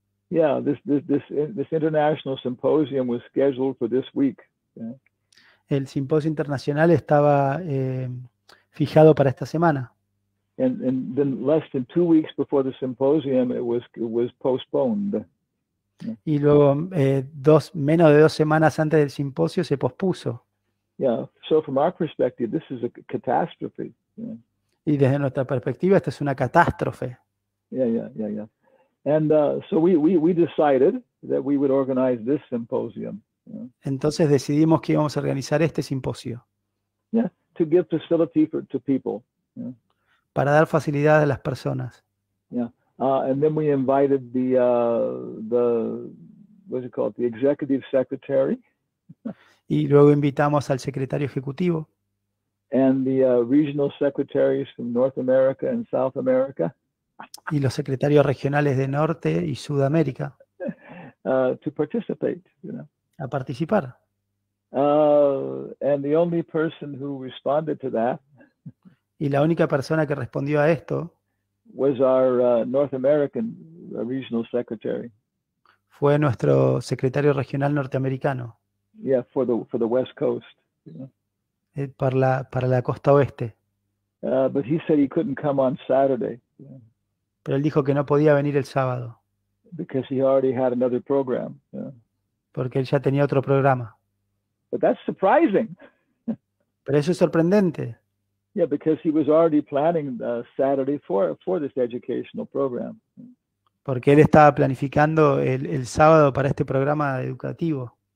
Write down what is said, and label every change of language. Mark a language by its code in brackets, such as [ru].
[en] Yeah, this international symposium was scheduled for this week. [es] El simposio internacional estaba fijado para esta semana. [en] And then less than 2 weeks before the symposium it was postponed. [es] Y luego menos de 2 semanas antes del simposio se pospuso. [en] Yeah, so from our perspective, this is a catastrophe. [es] Y desde nuestra perspectiva, esta es una catástrofe. [en] Yeah. And so we decided that we would organize this symposium. [es] Entonces decidimos que íbamos a organizar este simposio. [en] Yeah, to give facility to people. Yeah. [es] Para dar facilidad a las personas. [en] Yeah. And then we invited the what is it called, the executive secretary. [es] Y luego invitamos al secretario ejecutivo. [en] And the regional secretaries from North America and South America. [es] Y los secretarios regionales de Norte y Sudamérica. [en] To participate. [es] A participar. [en] And the only person who responded to that. [es] Y la única persona que respondió a esto. [en] Was our North American regional secretary. [es] Fue nuestro secretario regional norteamericano. [en] Yeah, for the West Coast. [es] Para la costa oeste. [en] But he said he couldn't come on Saturday. [es] Pero él dijo que no podía venir el sábado. [en] Because he already had another program. Yeah. [es] Porque él ya tenía otro programa. [en] But that's surprising. [es] Pero eso es sorprendente. [en] Yeah, because he was already planning Saturday for this educational program. [es] Porque él estaba planificando el sábado para este programa educativo.